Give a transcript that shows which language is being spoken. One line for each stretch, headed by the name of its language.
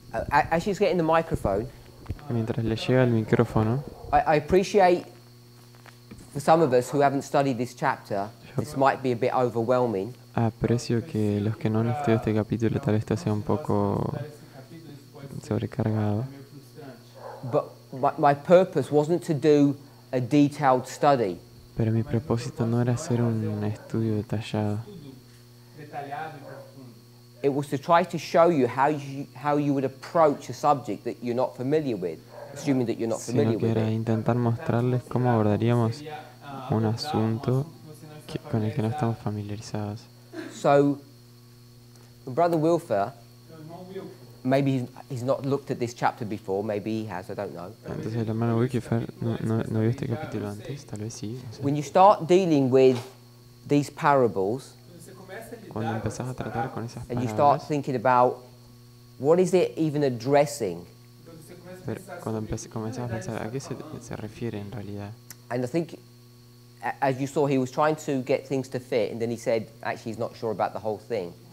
English: As she's getting the microphone,
Spanish: mientras le llega el micrófono,
English: I appreciate for some of us who haven't studied this chapter, this might be a bit overwhelming.
Spanish: Aprecio que los que no han estudiado este capítulo tal vez esto sea un poco sobrecargado.
English: But my purpose wasn't to do a detailed study.
Spanish: Pero mi propósito no era hacer un estudio detallado.
English: It was to try to show you how you would approach a subject that you're not familiar with, assuming that you're not familiar with it.
Spanish: Sino que era intentar mostrarles cómo abordaríamos un asunto que, con el que no estamos familiarizados.
English: So, Brother Wilfer, maybe he's not looked at this chapter before, maybe he has, I don't know.
Spanish: Entonces, el hermano Wilfer no vio este capítulo antes, tal vez sí. O sea.
English: When you start dealing with these parables,
Spanish: cuando empezás a tratar con esas parábolas,
English: and you start thinking about what is it even addressing?
Spanish: Pero cuando comenzás a pensar, ¿a qué se refiere en realidad?
English: And I think, as you saw, he was trying to get things to fit, and then he said, actually, he's not sure about the whole thing.